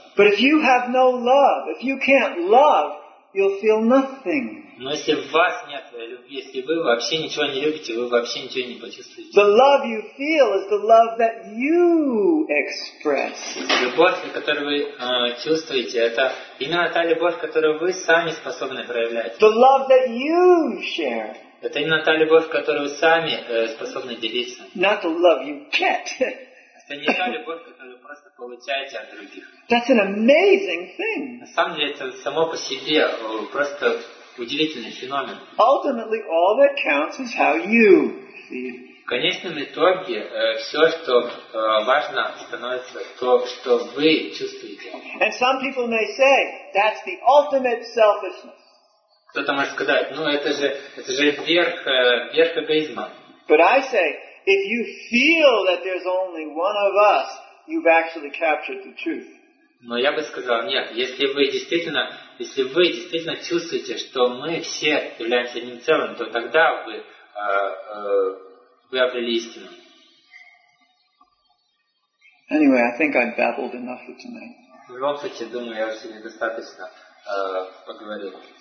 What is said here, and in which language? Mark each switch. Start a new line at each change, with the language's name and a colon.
English: But if you have no love, if you can't love, you'll feel nothing.
Russian: Но если в вас нет любви, если вы вообще ничего не любите, вы вообще ничего не почувствуете.
English: The love you feel is the love that you express.
Russian: Любовь, которую вы чувствуете, это именно та любовь, которую вы сами способны проявлять.
English: The love that you share.
Russian: Это именно та любовь, которую вы сами способны делиться.
English: Not the love you get.
Russian: Это не та любовь, которую вы просто получаете от других.
English: That's an amazing thing.
Russian: На самом деле это само по себе просто удивительный феномен.
English: Ultimately, all that counts is how you see.
Russian: В конечном итоге все, что важно, становится то, что вы чувствуете.
English: And some people may say that's the ultimate selfishness.
Russian: Кто-то может сказать, ну это же верх эгоизма.
English: But I say, if you feel that there's only one of us, you've actually captured the truth.
Russian: Но я бы сказал, нет, если вы действительно чувствуете, что мы все являемся одним целым, то тогда вы обрели истину.
English: Anyway, I think I've babbled enough for tonight.
Russian: В любом случае, думаю, я уже сегодня достаточно поговорил.